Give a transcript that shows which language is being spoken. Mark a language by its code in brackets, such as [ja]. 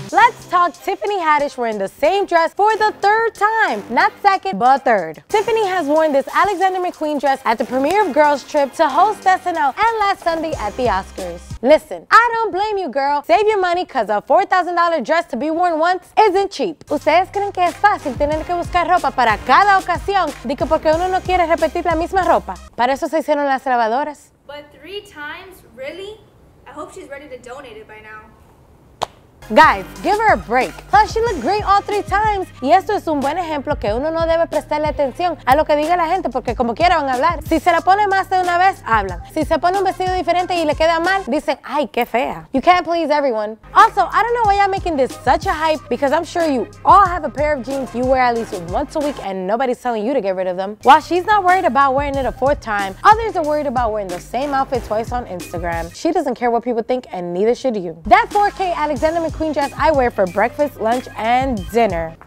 [en] Let's talk Tiffany Haddish wearing the same dress for the third time. Not second, but third. Tiffany has worn this Alexander McQueen dress at the premiere of Girls Trip to host SNL and last Sunday at the Oscars. Listen, I don't blame you, girl. Save your money, because a $4,000 dress to be worn once isn't cheap. [es] ¿Ustedes creen que es fácil tener que buscar ropa para cada ocasión? Digo, porque uno no quiere repetir la misma ropa. Para eso se hicieron las lavadoras. [en] But three times? Really? I hope she's ready to donate it by now. Guys, give her a break. Plus, she looked great all three times. [es] Y esto es un buen ejemplo que uno no debe prestarle atención a lo que diga la gente, porque como quiera van a hablar. Si se la pone más de una vez, hablan. Si se pone un vestido diferente y le queda mal, dicen, ay, qué fea. [en] You can't please everyone. Also, I don't know why I'm making this such a hype, because I'm sure you all have a pair of jeans you wear at least once a week and nobody's telling you to get rid of them. While she's not worried about wearing it a fourth time, others are worried about wearing the same outfit twice on Instagram. She doesn't care what people think, and neither should you. That 4K Alexander McQueen Queen dress I wear for breakfast, lunch, and dinner.